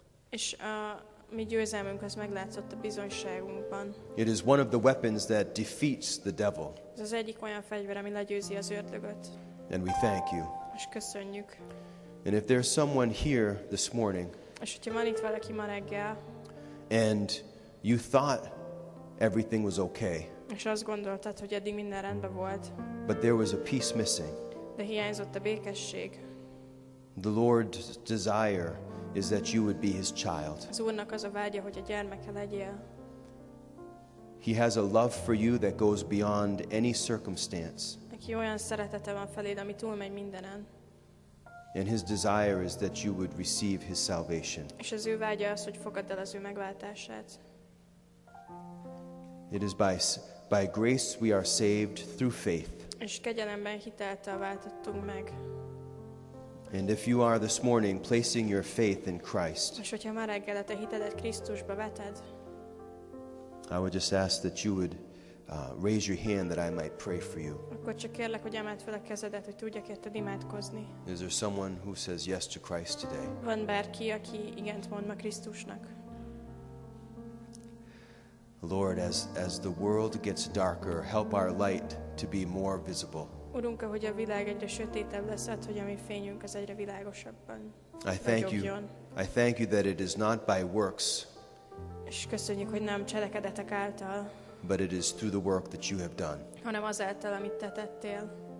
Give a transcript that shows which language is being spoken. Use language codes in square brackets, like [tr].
[hu] És a mi győzelmünk az meglátszott a bizonyságunkban. [en] It is one of the weapons that defeats the devil. [hu] Ez az egyik olyan fegyver, ami legyőzi az ördögöt. [en] And we thank you. [hu] És köszönjük. [en] And if there's someone here this morning, [hu] és hogyha van itt valaki ma reggel, [en] and you thought everything was okay. [hu] És azt gondoltad, hogy eddig minden rendben volt. [en] But there was a peace missing. [hu] De hiányzott a békesség. [en] The Lord's desire is that you would be His child. [hu] Az Úrnak az a vágya, hogy a gyermeke legyél. [en] He has a love for you that goes beyond any circumstance. [hu] Neki olyan szeretete van feléd, ami túlmegy mindenen. [en] And His desire is that you would receive His salvation. [hu] És az ő vágya az, hogy fogadd el az ő megváltását. [en] It is by grace we are saved through faith. [hu] És kegyelemben hiteltől váltottunk meg. [en] And if you are this morning placing your faith in Christ, [hu] és hogyha már reggel a te hitedet Krisztusba veted, [en] I would just ask that you would raise your hand that I might pray for you. [hu] Akkor csak kérlek, hogy emeld fel a kezedet, hogy tudjak érted imádkozni. [en] Is there someone who says yes to Christ today? [hu] Van bárki, aki igent mond ma Krisztusnak? [en] Lord, as the world gets darker, help our light to be more visible. [hu] Urunk, ahogy a világ egyre sötétebb lesz, hát, hogy a mi fényünk az egyre világosabban. [en] I thank you that it is not by works. [hu] És köszönjük, hogy nem cselekedetek által. [en] But it is through the work that you have done. [hu] Hanem azáltal, amit te tettél.